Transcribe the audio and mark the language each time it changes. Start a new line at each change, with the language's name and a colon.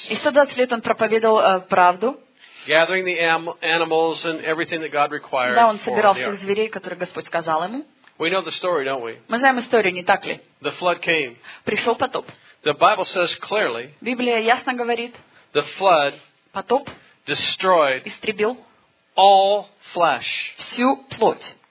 Russian: И 120 лет он проповедовал правду.
English: Gathering the animals and everything that God required.
Russian: Да, он собирал всех зверей, которые Господь сказал ему.
English: We know the story, don't we?
Russian: Мы знаем историю, не так ли?
English: The flood came.
Russian: Пришел потоп.
English: The Bible says clearly.
Russian: Библия ясно говорит.
English: The flood.
Russian: Потоп.
English: Destroyed.
Russian: Истребил.
English: All flesh.
Russian: Всю плоть.